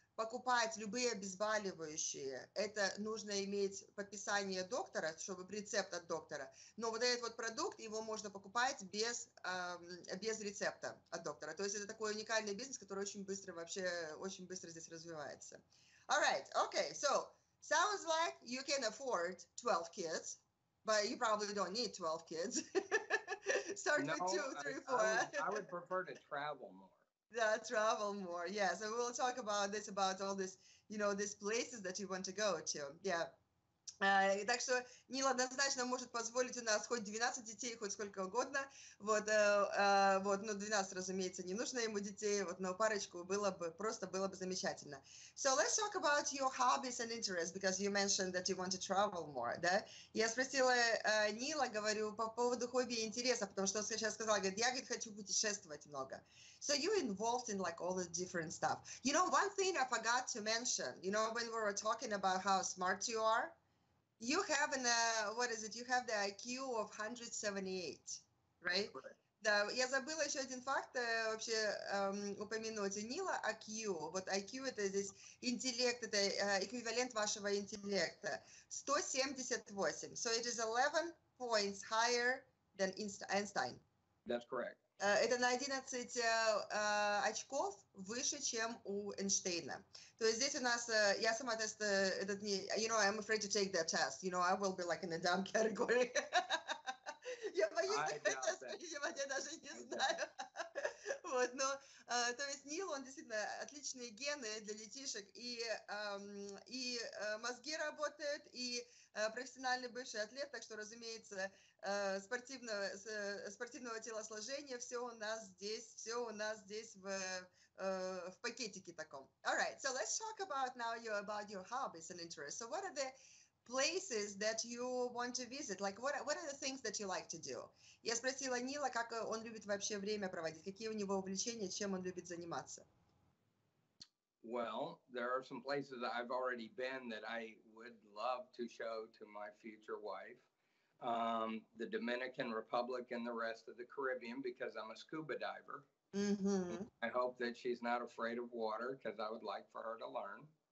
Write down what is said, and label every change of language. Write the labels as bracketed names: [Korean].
[Russian] покупать любые обезболивающие, это нужно иметь подписание доктора, чтобы рецепт от доктора. Но вот этот вот продукт, его можно покупать без, без рецепта от доктора. То есть это такой уникальный бизнес, который очень быстро вообще, очень быстро здесь развивается. [English] All right, okay, so sounds like you can afford 12 kids, but you probably don't need 12 kids. Start with 2, 3, 4. I would prefer to travel more. Yeah, travel more. Yeah, so we'll talk about this, about all this, you know, these places that you want to go to. Yeah. [Russian] Так что Нила однозначно может позволить у нас хоть 12 детей, хоть сколько угодно. Вот, вот, ну, 12, разумеется, не нужно ему детей, вот, но парочку было бы, просто было бы замечательно. [English] So let's talk about your hobbies and interests, because you mentioned that you want to travel more, да? [Russian] Я спросила Нила, говорю, по поводу хобби и интереса, потому что он сейчас сказал, говорит, я, говорит, хочу путешествовать много. [English] So you involved in, like, all the different stuff. You know, one thing I forgot to mention, you know, when we were talking about how smart you are, you have an, what is it? You have the IQ of 178, right? [Russian] Да, я забыла еще один факт вообще упомянуть. У Нила IQ, вот IQ это здесь интеллект, это эквивалент вашего интеллекта, 178. [English] So it is 11 points higher than Einstein. That's correct. [Russian] Это на 11 очков выше, чем у Эйнштейна. То есть здесь у нас, я сама тест, этот не, [English] you know, I'm afraid to take that test. You know, I will be like in a dumb category. [Russian] Я боюсь такой тест принимать, я даже не знаю. Вот, но, то есть Нил, он действительно отличные гены для детишек, и мозги работают, и профессиональный бывший атлет, так что, разумеется, спортивного телосложения, все у нас здесь в пакетике таком. [English] All right, so let's talk about now you about your hobbies and interests. So what are the places that you want to visit? Like, what are the things that you like to do? [Russian] Я спросила Нила, как он любит вообще время проводить, какие у него увлечения, чем он любит заниматься. [English] Well, there are some places I've already been that I would love to show to my future wife. The Dominican Republic and the rest of the Caribbean, because I'm a scuba diver. Mm-hmm. I hope that she's not afraid of water, because I would like for her to learn.